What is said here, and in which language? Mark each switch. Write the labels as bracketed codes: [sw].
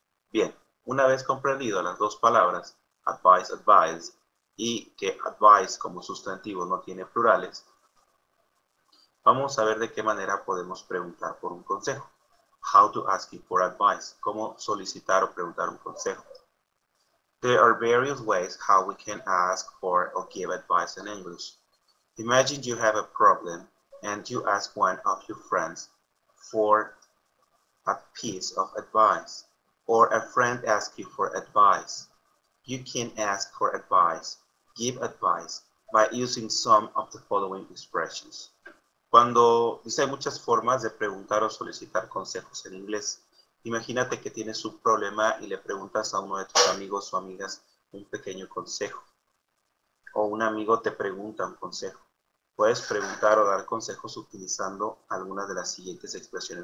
[es] Bien, una vez comprendido las dos palabras, advice, advice, y que advice como sustantivo no tiene plurales, vamos a ver de qué manera podemos preguntar por un consejo. [en] How to ask you for advice. [es] ¿Cómo solicitar o preguntar un consejo? [en] There are various ways how we can ask for or give advice in English. Imagine you have a problem and you ask one of your friends for a piece of advice. Or a friend asks you for advice. You can ask for advice, give advice, by using some of the following expressions. [es] Cuando dice muchas formas de preguntar o solicitar consejos en inglés, imagínate que tienes un problema y le preguntas a uno de tus amigos o amigas un pequeño consejo. O un amigo te pregunta un consejo. Puedes preguntar o dar consejos utilizando algunas de las siguientes expresiones.